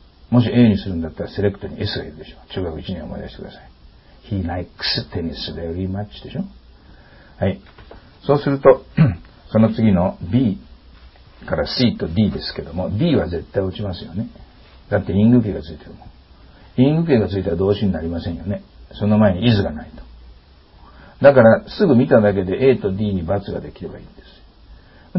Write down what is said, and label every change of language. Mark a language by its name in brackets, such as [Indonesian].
[Japanese] もし A にするんだったら Select に S がいるでしょ。中学1年思い出してください。 [English] He likes tennis very much でしょ。 [Japanese] はい。そうすると、その次の B から C と D ですけども、D は絶対落ちますよね。だって因果形がついてるもん。因果形がついたら動詞になりませんよね。その前に is がないと。だから、すぐ見ただけで A と D に×ができればいいんです。